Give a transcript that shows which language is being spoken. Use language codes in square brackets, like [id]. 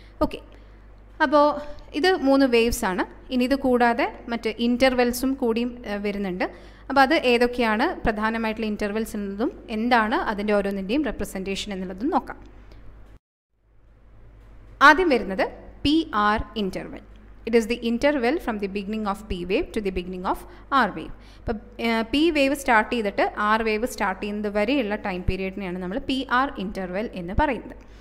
[ml] Okay, അപ്പോൾ ഇത് മൂന്ന് വേവ്സ് ആണ്. ഇനി ഇത് കൂടാതെ മറ്റ് ഇൻ്റർവെൽസും കൂടിയും വരുന്നുണ്ട്. അപ്പോൾ അത് ഏതൊക്കെയാണ് പ്രധാനമായിട്ടുള്ള ഇൻ്റർവെൽസ് എന്നതും എന്താണ് അതിൻ്റെ ഓരോന്നിൻ്റെയും റെപ്രസെൻറ്റേഷൻ എന്നുള്ളതും നോക്കാം. ആദ്യം വരുന്നത് PR interval. [en] It is the interval from the beginning of P wave to the beginning of R wave. [ml] P wave start ചെയ്തിട്ട് R wave start ചെയ്യുന്നത് വരെയുള്ള ടൈം പീരീഡിനെയാണ് നമ്മൾ PR ഇൻ്റർവെൽ എന്ന് പറയുന്നത്.